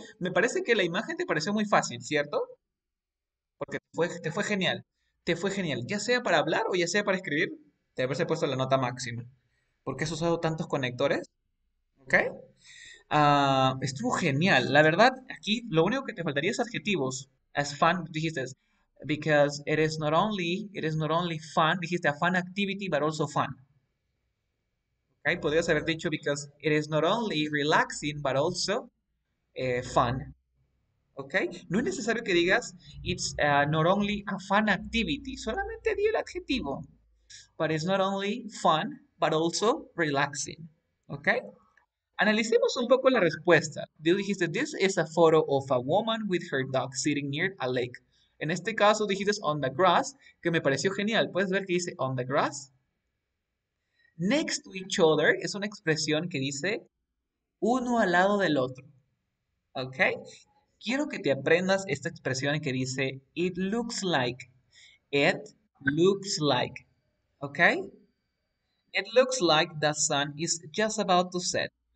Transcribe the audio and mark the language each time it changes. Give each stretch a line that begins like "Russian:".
Spanish: Me parece que la imagen te pareció muy fácil, ¿cierto? Porque te fue genial. Te fue genial. Ya sea para hablar o ya sea para escribir, te habrás puesto la nota máxima. ¿Por qué has usado tantos conectores? ¿Ok? Estuvo genial. La verdad, aquí lo único que te faltaría es adjetivos.
English: As fun, dijiste. Because it is not only fun, dijiste a fun activity, but also fun. ¿Ok? Podrías haber dicho because it is not only relaxing, but also fun. ¿Ok? No es necesario que digas it's not only a fun activity. Solamente di el adjetivo. But it's not only fun, but also relaxing. ¿Ok? Analicemos un poco la respuesta. Tú dijiste, this is a photo of a woman with her dog sitting near a lake.
Spanish: En este caso dijiste on the grass, que me pareció genial. ¿Puedes ver que dice on the grass? Next to each other es una expresión que dice uno al lado del otro. ¿Ok? Quiero que te aprendas esta expresión que dice it looks like.
English: It looks like. ¿Ok? It looks like the sun is just about to set.